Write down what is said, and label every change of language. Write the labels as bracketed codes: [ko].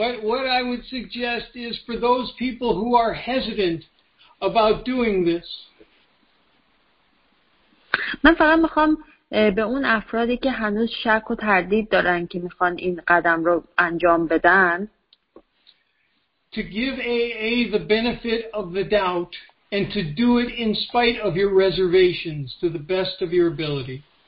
[en] What I would suggest is for those people who are hesitant about doing this. [fa] من فقط میخوام به اون افرادی که هنوز شک و تردید دارن که میخوان این قدم رو انجام بدن. [en] To give AA the benefit of the doubt and to do it in spite of your reservations to the best of your ability.